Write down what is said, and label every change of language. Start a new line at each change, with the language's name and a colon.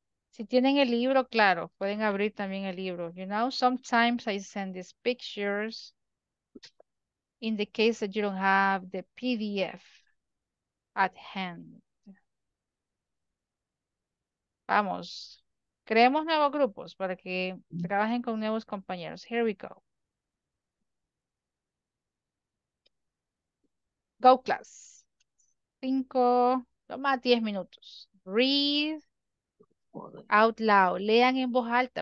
Spanish: Si tienen el libro, claro, pueden abrir también el libro.
English: You know, sometimes I send these pictures in the case that you don't have the PDF at hand.
Spanish: Vamos. Creemos nuevos grupos para que trabajen con nuevos compañeros.
English: Here we go. Go class.
Spanish: 5, toma 10 minutos.
English: Read out loud.
Spanish: Lean en voz alta.